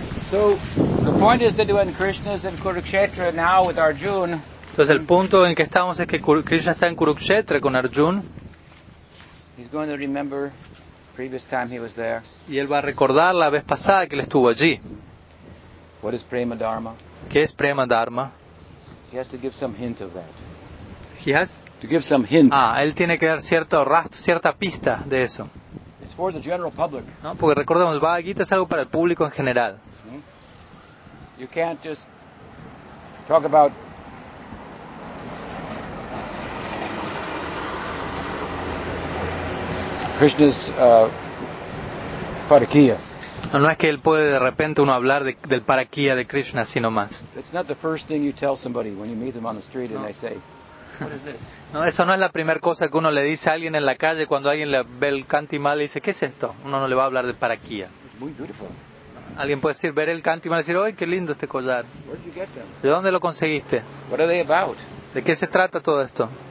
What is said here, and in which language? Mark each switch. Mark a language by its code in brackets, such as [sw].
[en] So the point is that when Krishna's in Kurukshetra now with Arjuna. [es] Entonces el punto en que estamos es que Krishna está en Kurukshetra con Arjuna. [en] He's going to remember previous time he was there. [es] Y él va a recordar la vez pasada que él estuvo allí. [en] What is prema dharma? [es] ¿Qué es prema dharma? [en] He has to give some hint of that. He has to give some hint. [es] Ah, él tiene que dar cierto rastro, cierta pista de eso. [en] It's for the general public. [es] No, porque recordemos, Bhagavad Gita es algo para el público en general. [en] You can't just talk about Krishna's parakia. [es] No, no es que él puede de repente uno hablar de, del parakia de Krishna, sino más. [en] It's not the first thing you tell somebody when you meet them on the street and they say, [es] no, eso no es la primera cosa que uno le dice a alguien en la calle cuando alguien le ve el cantimal y dice, ¿qué es esto? Uno no le va a hablar de parakia. Alguien puede decir, ver el cantimal y decir, ¡ay, qué lindo este collar! ¿De dónde lo conseguiste? [en] What are they about? [es] ¿De qué se trata todo esto?